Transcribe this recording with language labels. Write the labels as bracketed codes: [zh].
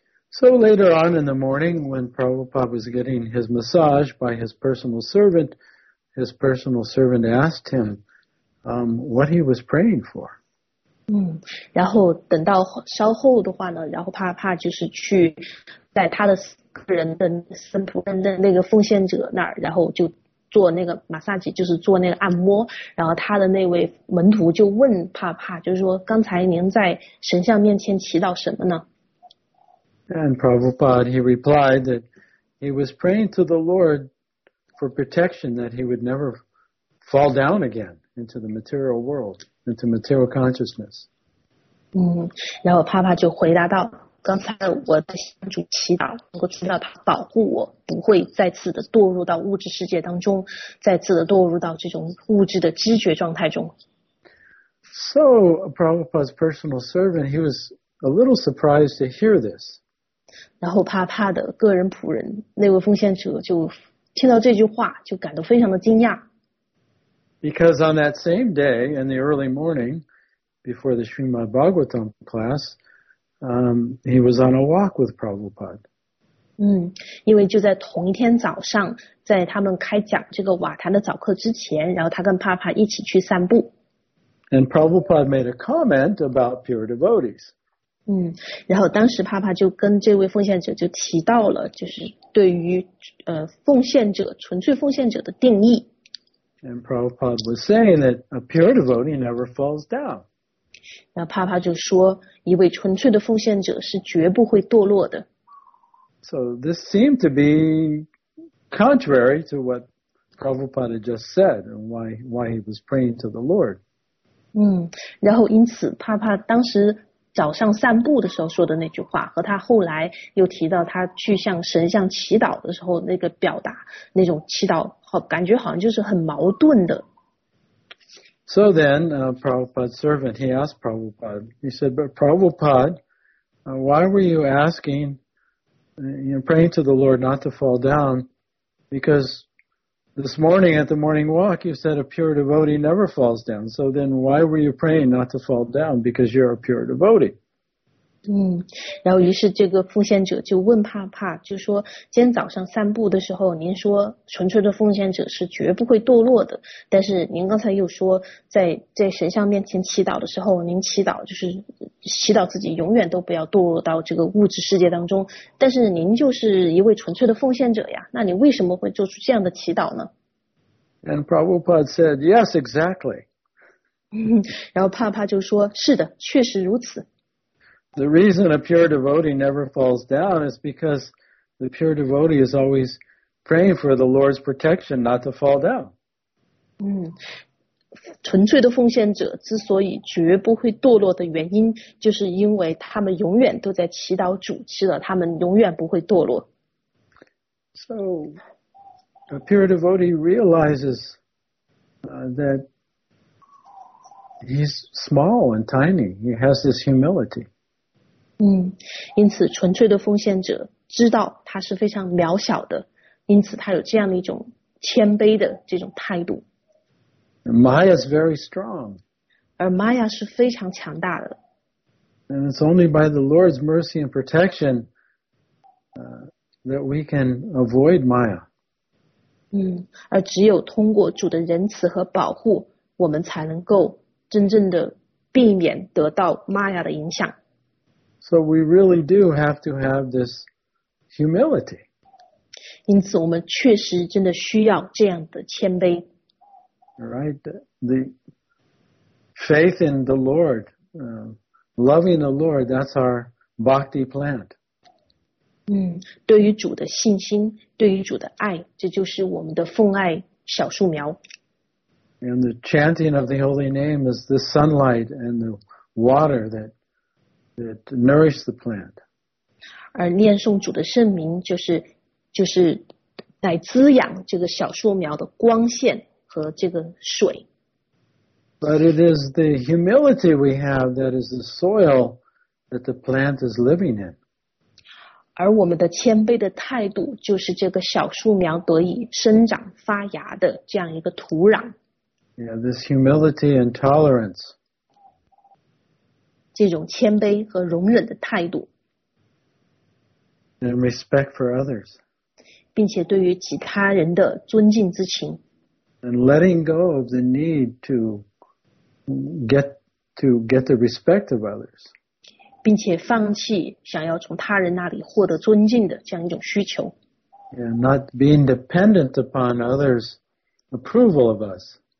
[en] So later on in the morning, when Prabhupada was getting his massage by his personal servant asked him, what he was praying for. [zh] 然后等到稍后的话呢，然后帕帕就是去在他的个人的僧仆的那个奉献者那儿，然后就做那个 massage， 就是做那个按摩。然后他的那位门徒就问帕帕，就是说刚才您在神像面前祈祷什么呢？ [en] And Prabhupada, he replied that he was praying to the Lord for protection that he would never fall down again into the material world, into material consciousness. [zh] 然后帕帕就回答道，刚才我的向主祈祷，能够祈祷他保护我，不会再次的堕入到物质世界当中，再次的堕入到这种物质的知觉状态中。 [en] So Prabhupada's personal servant, he was a little surprised to hear this. [zh] 然后帕帕的个人仆人，那位奉献者就听到这句话，就感到非常的惊讶。 [en] Because on that same day, in the early morning, before the Srimad Bhagavatam class, he was on a walk with Prabhupada. [zh] 因为就在同一天早上，在他们开讲这个瓦坛的早课之前，然后他跟帕帕一起去散步。 [en] And Prabhupada made a comment about pure devotees. [zh] 然后当时帕帕就跟这位奉献者就提到了，就是对于奉献者纯粹奉献者的定义。 [en] And Prabhupada was saying that a pure devotee never falls down. [zh] 那帕帕就说，一位纯粹的奉献者是绝不会堕落的。 [en] So this seemed to be contrary to what Prabhupada had just said and why he was praying to the Lord. [zh] 然后因此帕帕当时早上散步的时候说的那句话，和他后来又提到他去向神像祈祷的时候那个表达，那种祈祷感觉好像就是很矛盾的。 [en] So then, Prabhupada's servant, he asked Prabhupada, he said, but Prabhupada, why were you asking, you know, praying to the Lord not to fall down? Because this morning at the morning walk, you said a pure devotee never falls down. So then why were you praying not to fall down? Because you're a pure devotee. [zh] 然后于是这个奉献者就问帕帕，就说今天早上散步的时候您说纯粹的奉献者是绝不会堕落的，但是您刚才又说在神像面前祈祷的时候，您祈祷就是祈祷自己永远都不要堕落到这个物质世界当中，但是您就是一位纯粹的奉献者呀，那你为什么会做出这样的祈祷呢？ [en] And Prabhupada said, yes, exactly. [zh] 然后帕帕就说，是的，确实如此。 [en] The reason a pure devotee never falls down is because the pure devotee is always praying for the Lord's protection not to fall down. [zh] 纯粹的奉献者之所以绝不会堕落的原因，就是因为他们永远都在祈祷主，祈祷他们永远不会堕落。 [en] So, a pure devotee realizes that he's small and tiny. He has this humility. [zh] 因此纯粹的奉献者知道他是非常渺小的，因此他有这样的一种谦卑的这种态度。 [en] Maya is very strong. [zh] 而 Maya 是非常强大的。 [en] And it's only by the Lord's mercy and protection, that we can avoid Maya. [zh] 而只有通过主的仁慈和保护，我们才能够真正的避免得到 Maya 的影响。 [en] So we really do have to have this humility. [zh] 因此我们确实真的需要这样的谦卑。 [en] Right, the faith in the Lord, loving the Lord, that's our bhakti plant. [zh] 对于主的信心，对于主的爱，这就是我们的奉爱小树苗。 [en] And the chanting of the holy name is the sunlight and the water that nourish the plant. [zh] 而念诵主的圣名就是来滋养这个小树苗的光线和这个水。 [en] But it is the humility we have that is the soil that the plant is living in. [zh] 而我们的谦卑的态度就是这个小树苗得以生长发芽的这样一个土壤。 [en] Yeah, this humility and tolerance. [zh] 这种谦卑和容忍的态度。 [en] And respect for others. [zh] 并且对于其他人的尊敬之情。 [en] And letting go of the need to get the respect of others. [zh] 并且放弃想要从他人那里获得尊敬的这样一种需求。 [en] Yeah, not being dependent upon others' approval of us.